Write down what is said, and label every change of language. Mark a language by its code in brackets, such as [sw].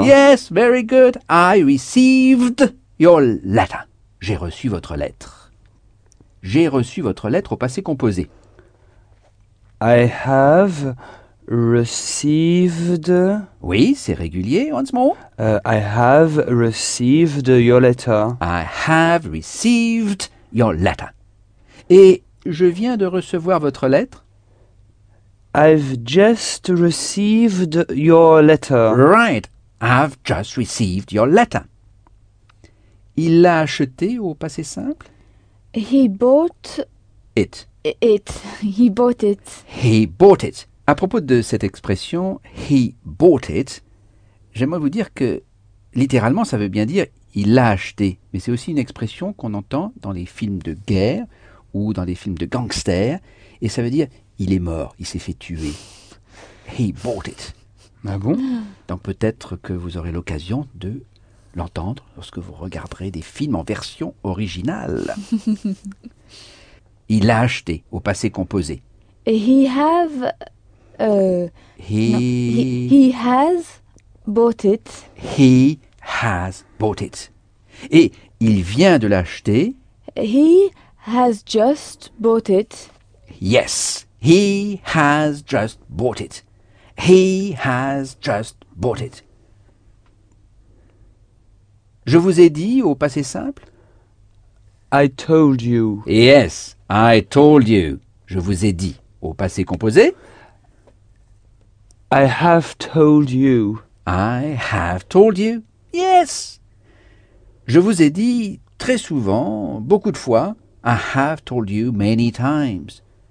[en] Yes, very good. I received your letter. [fr] J'ai reçu votre lettre. J'ai reçu votre lettre au passé composé. [en] I have received. [fr] Oui, c'est régulier, [en] once more. I have received your letter. I have received. Your letter. [fr] Et je viens de recevoir votre lettre. [en] I've just received your letter. Right. I've just received your letter. [fr] Il l'a acheté au passé simple. [en] He bought it. It. He bought it. He bought it. [fr] À propos de cette expression, [en] he bought it, [fr] j'aimerais vous dire que littéralement ça veut bien dire il l'a acheté, mais c'est aussi une expression qu'on entend dans les films de guerre ou dans les films de gangsters, et ça veut dire il est mort, il s'est fait tuer. [en] He bought it. [fr] Ah bon ? Donc peut-être que vous aurez l'occasion de l'entendre lorsque vous regarderez des films en version originale. Il l'a acheté au passé composé. [en] He have. He. [fr] Non, [en] he has bought it. He. Has bought it. [fr] Et il vient de l'acheter. [en] He has just bought it. Yes, he has just bought it. He has just bought it. [fr] Je vous ai dit au passé simple? [en] I told you. Yes, I told you. [fr] Je vous ai dit au passé composé? [en] I have told you. I have told you. Yes. [fr] Je vous ai dit très souvent, beaucoup de fois. [en] I have told you many times.